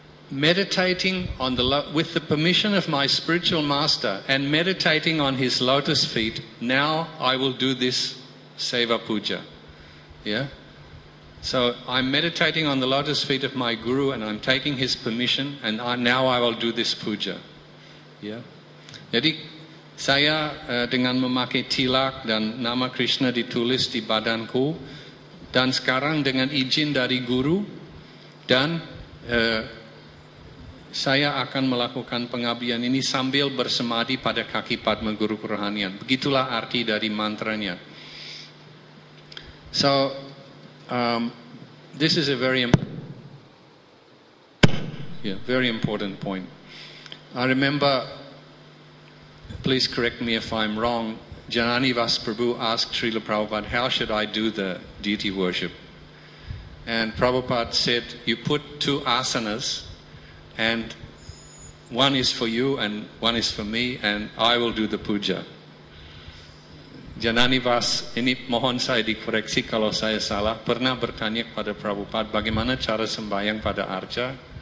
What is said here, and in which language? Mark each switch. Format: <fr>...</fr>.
<en>Meditating on the with the permission of my spiritual master and meditating on his lotus feet, now I will do this seva puja. Yeah. So I'm meditating on the lotus feet of my guru and I'm taking his permission and now I will do this puja. Yeah.</en> <id>Jadi saya dengan memakai tilak dan nama Krishna ditulis di badanku dan sekarang dengan izin dari guru dan saya akan melakukan pengabdian ini sambil bersemadi pada kaki Padma Guru Kerohanian. Begitulah arti dari mantranya.</id> <en>So this is a very important point. I remember, please correct me if I'm wrong, Janani Vas Prabhu asked Srila Prabhupada, how should I do the deity worship? And Prabhupada said, you put two asanas, and one is for you and one is for me, and I will do the puja.</en> <id>Janani Vas, ini mohon saya dikoreksi kalau saya salah, pernah bertanya kepada Prabhupada, bagaimana cara sembahyang pada arca?</id>